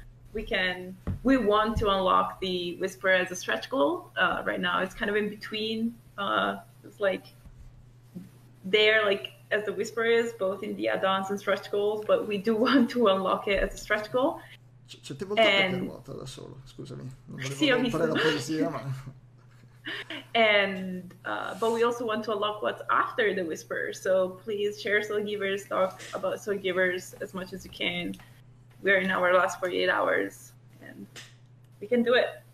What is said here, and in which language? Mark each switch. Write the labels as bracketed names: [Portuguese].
[English] We want to unlock the Whisper as a stretch goal. Right now, it's kind of in between. It's like there, like as the Whisper is, both in the add-ons and stretch goals, but we do want to unlock it as a stretch goal. [Italian] Sette volte a doppia ruota da solo, scusami, non volevo Sì, ho rompere la visto. poesia, ma... [English] But we also want to unlock what's after the whisper, so please share Soulgivers, talk about Soulgivers as much as you can. We are in our last 48 hours, and we can do it.